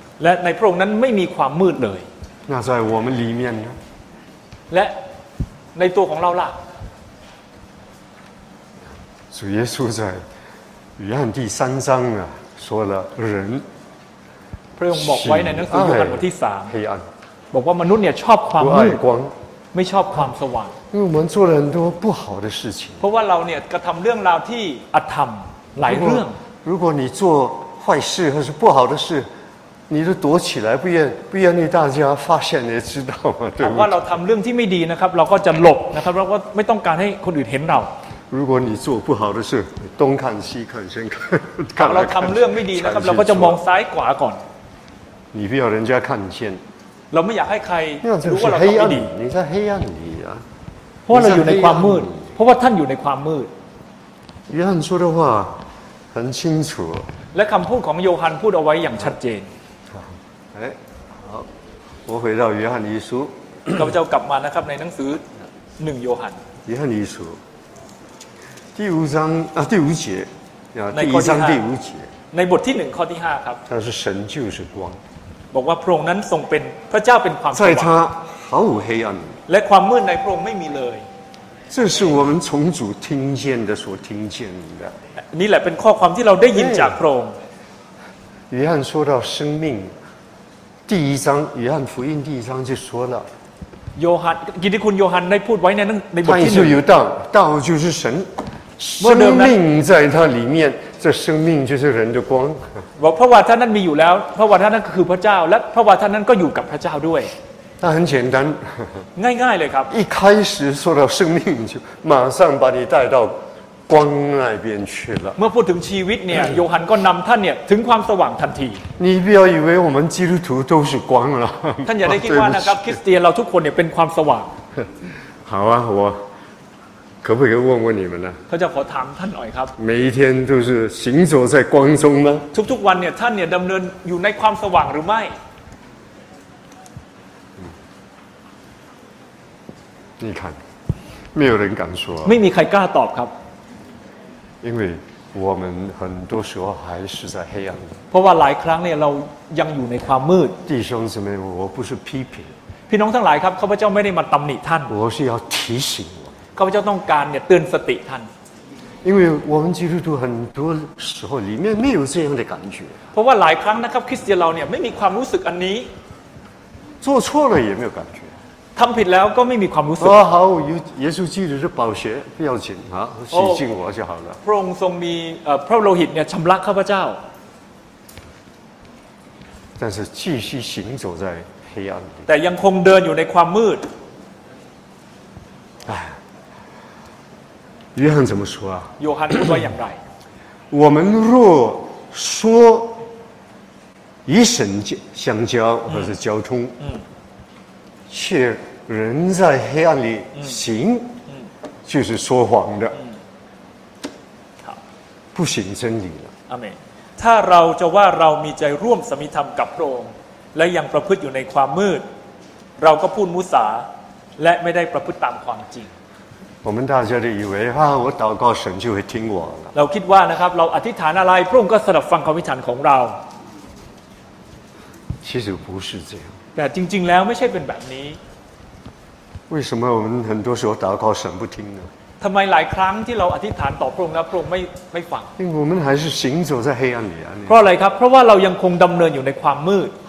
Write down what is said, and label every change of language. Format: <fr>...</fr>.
<th>และในพระองค์นั้นไม่มีความมืดเลย</th> <zh>那在我们里面呢</zh> <th>และในตัวของเราล่ะ</th> <zh>主耶稣在约翰第三章啊说了人</zh> <th>พระองค์บอกไว้ในหนังสือยอห์นบทที่3</th> <zh>黑暗</zh> <th>บอกว่ามนุษย์เนี่ยชอบความมื ดไม่ชอบความสว่าง เพราะเราทำเรื่องราวที่</th> <zh>不好的事情</zh> <th>เพราะว่าเราเนี่ยกระทำเรื่องราวที่อธรรมหลายเรื่อง</th> <zh>如果你做坏事或是不好的事你都躲起来不愿意大家发现也知道嘛对不对</zh> <th>ว่าเราทำเรื่องที่ไม่ดีนะครับเราก็จะหลบนะครับเราก็ไม่ต้องการให้คนอื่นเห็นเรา</th> <zh>如果你做不好的事东看西看先看</zh> <th>เราทำเรื่องไม่ดีนะครับเราก็จะมองซ้ายขวาก่อน</th> <zh>你不要人家看见</zh> <th>เราไม่อยากให้ใคร รู้ว่าเราทำไม่ดี</th> <zh>你在黑暗里啊</zh> <th>เพราะเราอยู่ในความมืดเพราะว่าท่านอยู่ในความมืด ยอห์นพูดว่า</th> <zh>很清楚</zh> <th>และคำพูดของโยฮันพูดเอาไว้อย่างชัดเจน เฮ้ย</th> <zh>好我回到约翰一书</zh> <th>ข้าพเจ้ากลับมานะครับในหนังสือ1โยฮัน</th> <zh>约翰一书第5章啊第5节第1章第5节</zh> <th>ในบทที่1ข้อที่5ครับ</th> <zh>他是神就是光</zh> <th>บอกว่าพระองค์นั้นทรงเป็นพระเจ้าเป็นความสว่ าง ไม่มี</th> <zh>黑暗</zh> <th>และความมืดในพระองค์ไม่มีเลย</th> <zh>这是我们从主听见的所听见的</zh> <th>นี่แหละเป็นข้อความที่เราได้ยินจากพระองค์</th> <zh>约翰说到生命第一章约翰福音第一章就说了</zh> <th>โยฮันกิตติคุณโยฮันได้พูดไว้ในบทที่</th> <zh>1 他就有道道就是神生命在他里面这生命就是人的光</zh> <th>เพราะว่าท่านนั้นมีอยู่แล้วเพราะว่าท่านนั้นก็คือพระเจ้าและเพราะว่าท่านนั้นก็อยู่กับพระเจ้าด้วย น่า</th> <zh>很简单</zh> <th>ง่ายง่ายเลยครับ</th> <zh>一开始说到生命就马上把你带到光那边去了</zh> <th>เมื่อพูดถึงชีวิตเนี่ยโยฮันก็นำท่านเนี่ยถึงความสว่างทันที</th> <zh>你不要以为我们基督徒都是光了</zh> <th>ท่านอย่าได้คิดว่านะครับคริสเตียนเราทุกคนเนี่ยเป็นความสว่าง</th> <zh>好啊我可不可以问问你们呢</zh> <th>ข้าจะขอถามท่านหน่อยครับ</th> <zh>每一天都是行走在光中吗</zh> <th>ทุกวันเนี่ยท่านเนี่ยดำเนินอยู่ในความสว่างหรือไม่</th> <zh>你看没有人敢说</zh> <th>ไม่มีใครกล้าตอบครับ</th> <zh>因为我们很多时候还是在黑暗</zh> <th>เพราะว่าหลายครั้งเนี่ยเรายังอยู่ในความมืด</th> <zh>弟兄姊妹我不是批评</zh> <th>พี่น้องทั้งหลายครับข้าพเจ้าไม่ได้มาตำหนิท่าน</th> <zh>我是要提醒我</zh> <th>ข้าพเจ้าต้องการเนี่ยเตือนสติท่าน</th> <zh>因为我们基督徒很多时候里面没有这样的感觉</zh> <th>เพราะว่าหลายครั้งนะครับคริสเตียนเราเนี่ยไม่มีความรู้สึกอันนี้</th> <zh>做错了也没有感觉</zh> <th>ทำผิดแล้วก็ไม่มีความรู้สึ ก</th> <zh>อ๋อ好耶稣基督是宝血不要紧啊洗净我就好了</zh> <th>พระองค์ทรงมีพระโลหิตเนี่ยชำระข้าพเจ้า</th> <zh>但是继续行走在黑暗里</zh> <th>แต่ยังคงเดินอยู่ในความมืด</th> <zh>约翰怎么说啊</zh> <th>โยฮันว่าอย่างไร</th> <zh>我们若说与神相交或者交通却人在黑暗里行就是说谎的不行真理了</zh> <th>阿们ถ้าเราจะว่าเรามีใจร่วมสมิธรรมกับพระองค์และยังประพฤติอยู่ในความมืดเราก็พูดมุสาและไม่ได้ประพฤติตามความจริง</th> <zh>我们大家都以为啊我祷告神就会听我了</zh> <th>เราคิดว่านะครับเราอธิษฐานอะไรพระองค์ก็สดับฟังคำอธิษฐานของเรา</th> <zh>其实不是这样</zh> <th>แต่จริงๆแล้วไม่ใช่เป็นแบบนี้</th> <zh>为什么我们很多时候祷告神不听呢</zh> <th>ทำไมหลายครั้งที่เราอธิษฐานต่อพระองค์แล้วพระองค์ไม่ฟัง เพราะเรายังคงดำเนินอยู่ในความมืด เพราะอะไรครับเพราะว่าเรายังคงดำเนินอยู่ในความมืด</th>